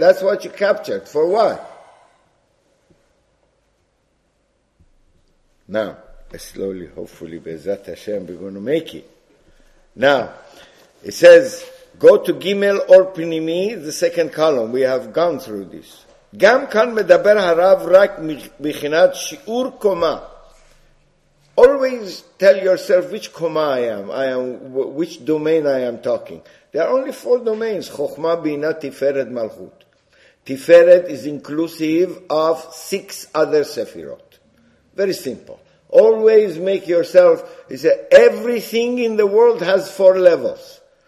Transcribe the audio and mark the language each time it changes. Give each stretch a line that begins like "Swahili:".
English: That's what you captured. For what? Now, slowly, hopefully, Bezat Hashem, we're going to make it. Now, it says, go to Gimel Or Pinimi, the second column. We have gone through this.
Hebrew: גם כאן מדבר הרב רק מבחינת שיעור קומה.
English: Always tell yourself which קומה I am, which domain I am talking. There are only four domains, חוכמה, בינה, תפארת, מלכות. תפארת is inclusive of six other sephirot. Very simple. Always make yourself, you say, everything in the world has four levels.